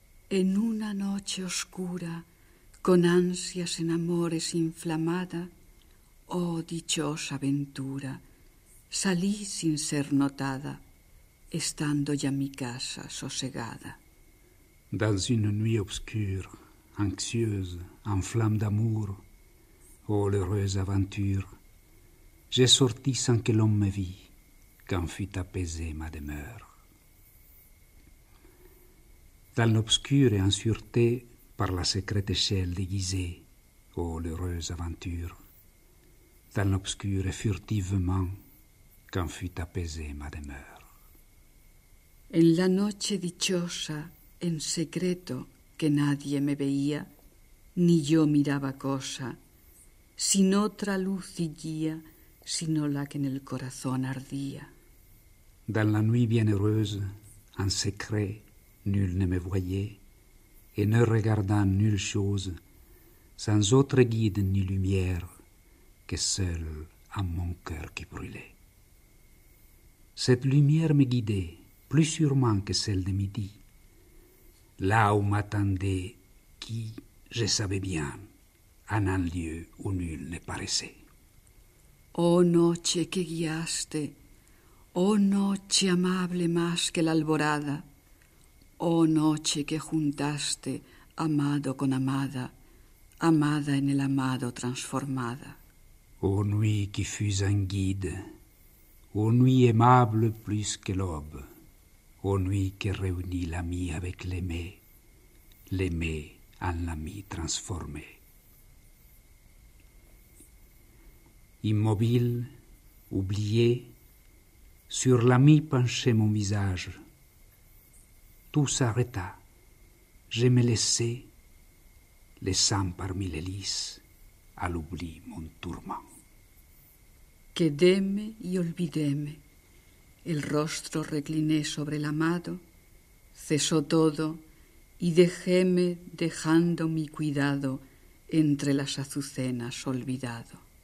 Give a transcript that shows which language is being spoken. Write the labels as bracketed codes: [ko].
[es] En una noche oscura, con ansias en amores inflamada, oh dichosa aventura, salí sin ser notada, estando ya mi casa sosegada. [fr] Dans une nuit obscure, anxieuse, en flamme d'amour, oh l'heureuse aventure, j'ai sorti sans que l'on me vît, quand fut apaisée ma demeure. Dans l'obscur et en sûreté, par la secrète échelle déguisée, ô l'heureuse aventure, dans l'obscur et furtivement, quand fut apaisée ma demeure. [es] En la noche dichosa, en secreto, que nadie me veía, ni yo miraba cosa, sin otra luz y guía, sino la que en el corazón ardía. [fr] Dans la nuit bienheureuse, en secret, nul ne me voyait, et ne regardant nulle chose, sans autre guide ni lumière, que seul à mon cœur qui brûlait. Cette lumière me guidait, plus sûrement que celle de midi, là où m'attendait qui, je savais bien, en un lieu où nul ne paraissait. [es] Ô noche que guiaste, ô noche amable más que l'alborada, oh noche que juntaste amado con amada, amada en el amado transformada. [fr] Oh nuit qui fus un guide, oh nuit aimable plus que l'aube, oh nuit qui réunit l'ami avec l'aimé, l'aimé en l'ami transformé. Immobile, oublié, sur l'ami penché mon visage, tout s'arrêta, je me laissai, laissant parmi les lys à l'oubli mon tourment. [es] Quedéme y olvidéme, el rostro recliné sobre el amado, cesó todo y dejéme dejando mi cuidado entre las azucenas olvidado.